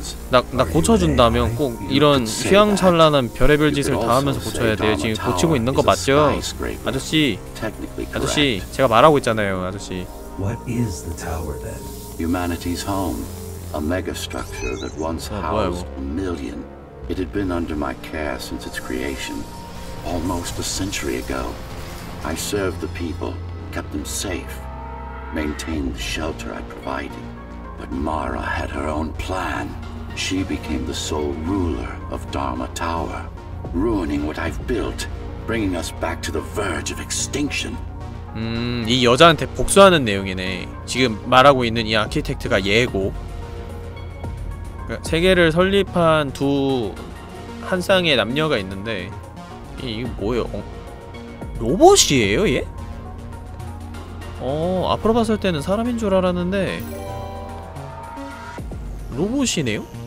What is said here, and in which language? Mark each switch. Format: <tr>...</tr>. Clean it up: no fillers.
<ko>나 고쳐준다면 꼭 이런 휘황찬란한 별의별 짓을 다 하면서 고쳐야 돼요. 지금 고치고 있는 거 맞죠? 아저씨, 아저씨, 제가 말하고 있잖아요, 아저씨.</ko> <en>What is the tower then? Humanity's home, a mega structure that once housed a million. It had been under my care since its creation, almost a century ago. I served the people, kept them safe, maintained the shelter I provided. But Mara had her own plan. She became the sole ruler of Dharma Tower, ruining what I've built, bringing us back to the verge of extinction.</en> <ko>이 여자한테 복수하는 내용이네. 지금 말하고 있는 이 아키텍트가 얘고. 세계를 설립한 두 한 쌍의 남녀가 있는데 이게 뭐예요? 로봇이에요, 얘? 어, 앞으로 봤을 때는 사람인 줄 알았는데 로봇이네요?</ko>